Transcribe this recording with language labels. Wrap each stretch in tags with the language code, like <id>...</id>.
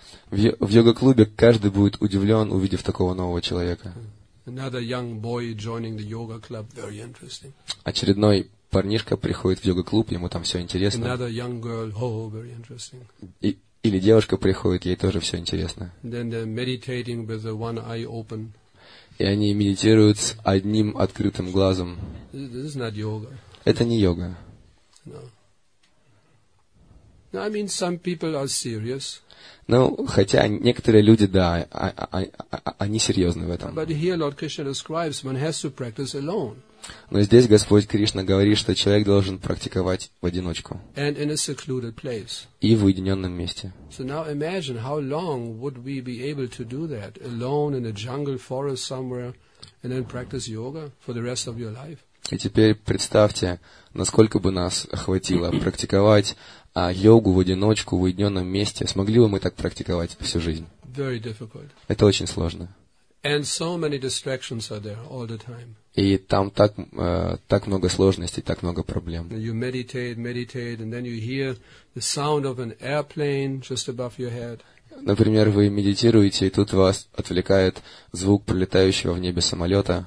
<ru>В йога-клубе каждый будет удивлен, увидев такого нового человека.</ru> <en>Another young boy joining the yoga club, very interesting.</en> <ru>Очередной парнишка приходит в йога-клуб, ему там все интересно.</ru> <en>Another young girl, oh, very interesting.</en> <ru>Или девушка приходит, ей тоже все интересно.</ru> <en>Then they're meditating with the one eye open.</en> <ru>И они медитируют с одним открытым глазом.</ru> <en>This is not yoga.</en> <ru>Это не йога.</ru> <en>No. I mean, some people are serious.</en> <ru>Ну, хотя некоторые люди, да, они серьезны в этом.</ru> <en>But here Lord Krishna describes one has to practice alone.</en> <ru>Но здесь Господь Кришна говорит, что человек должен практиковать в одиночку.</ru> <en>And in a secluded place.</en> <ru>И в уединенном месте.</ru> <en>So now imagine how long would we be able to do that alone in a jungle forest somewhere, and then practice yoga for the rest of your life.</en> <ru>И теперь представьте, насколько бы нас хватило практиковать. А йогу в одиночку, в уединенном месте, смогли бы мы так практиковать всю жизнь?</ru> <en>Very difficult.</en> <ru>Это очень сложно.</ru> <en>And so many distractions are there all the time.</en> <ru>И там так много сложностей, так много проблем.</ru> <en>You meditate, and then you hear the sound of an airplane just above your head.</en> <ru>Например, вы медитируете, и тут вас отвлекает звук пролетающего в небе самолета.</ru>